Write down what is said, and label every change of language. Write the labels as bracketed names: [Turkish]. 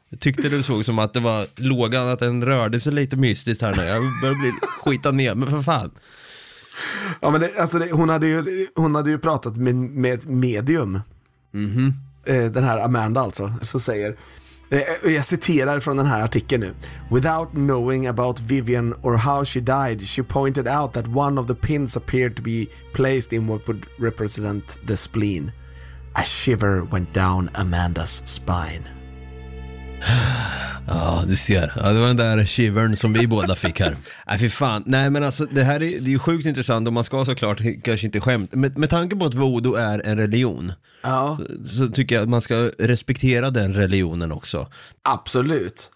[Swedish] Jag tyckte du såg som att det var lågan, att den rörde sig lite mystiskt här nu. Jag börjar bli skitad ner, men för fan. Ja, men hon hade ju pratat med medium. Mm-hmm. Den här Amanda alltså, så säger... Jag citerar från den här artikeln nu. [English] Without knowing about Vivian or how she died, she pointed out that one of the pins appeared to be placed in what would represent the spleen. A shiver went down Amandas spine. [Swedish] Ja, du ser. Ja, det var den där shivern som vi båda fick här. Nej, fy fan. Nej, men alltså, det här är ju sjukt intressant, och man ska såklart kanske inte skämta. Med tanke på att voodoo är en religion, ja, så tycker jag att man ska respektera den religionen också. Absolut.